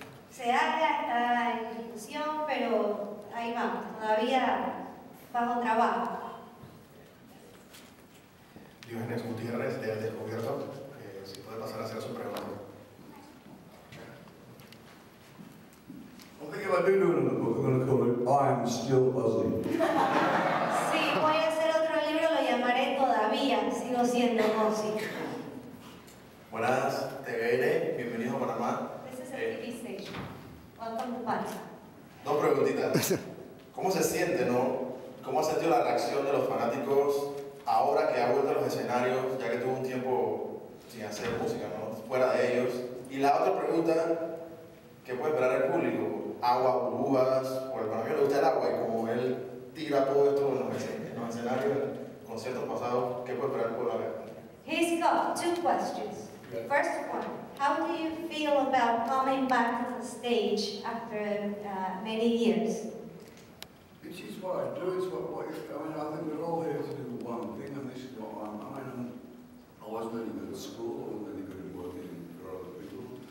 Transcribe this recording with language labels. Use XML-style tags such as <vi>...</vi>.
<es>Se haga, está en discusión, pero ahí vamos, todavía bajo trabajo. Diógenes Gutiérrez, del Descubierto, si puede pasar a hacer su pregunta.</es> <en>I think if I do do another book, I'm going to call it I Am Still Ozzy.</en> <es>Sí, voy a hacer otro libro, lo llamaré Todavía, sigo siendo Ozzy. Buenas, TVN, bienvenido a Panamá.</es> <en>This is a TV station. Welcome to Panamá.</en> <es>Dos preguntitas. ¿Cómo se siente, no? ¿Cómo ha sentido la reacción de los fanáticos ahora que ha vuelto a los escenarios, ya que tuvo un tiempo sin hacer música, ¿no? Fuera de ellos. Y la otra pregunta, ¿qué puede esperar el público? Agua, burbujas, porque para mí me gusta el agua y como él tira todo esto en los escenarios, en los conciertos pasados, ¿qué puede esperar el público?</es> <en>He's got two questions. Okay. First one, how do you feel about coming back to the stage after many years? Which is what I do, it's what I think we're all here to do one thing, and this is what I was really good at school, and really good at working for other people.</en>